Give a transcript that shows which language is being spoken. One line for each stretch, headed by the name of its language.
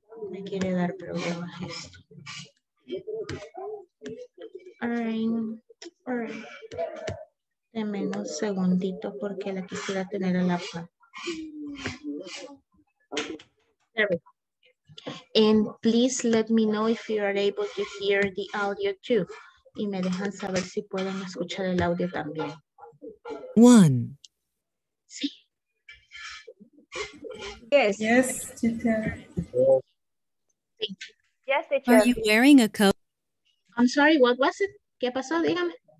Spanish: Me quiere dar problemas esto.
English: All right.
Spanish: Deme un segundito porque la quisiera tener a la par.
English: There we go. And please let me know if you are able to hear the audio too.
Spanish: Y me dejan saber si pueden escuchar el audio también.
English: One.
Spanish: Sí.
English: Yes. Yes, you can. Yes, teacher. Are you wearing a coat? I'm sorry, what was it?
Spanish: ¿Qué pasó? Dígame.